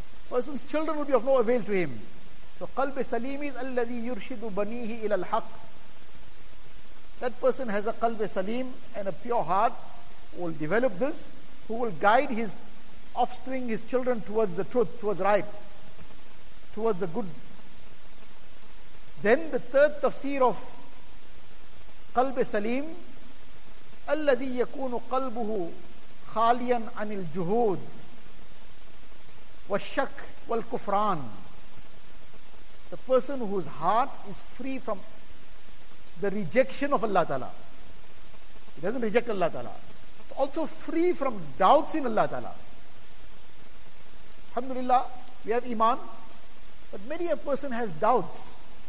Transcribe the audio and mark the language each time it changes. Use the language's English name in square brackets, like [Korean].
[English] Person's children will be of no avail to him. So, [Arabic] قلب سليم [English] is [Arabic] الَّذِي يُرْشِدُ بَنِيهِ إِلَى الْحَقِّ. [English] That person has a [Arabic] قلب سليم [English] and a pure heart who will develop this, who will guide his offspring, his children towards the truth, towards right, towards the good. Then the third tafsir of [Arabic] قلب سليم الذي يكون قلبه خاليا عن الجهود والشك والكفران. [English] The person whose heart is free from the rejection of Allah Ta'ala. He doesn't reject Allah Ta'ala. It's also free from doubts in Allah Ta'ala. Alhamdulillah, we have iman, but many a person has doubts.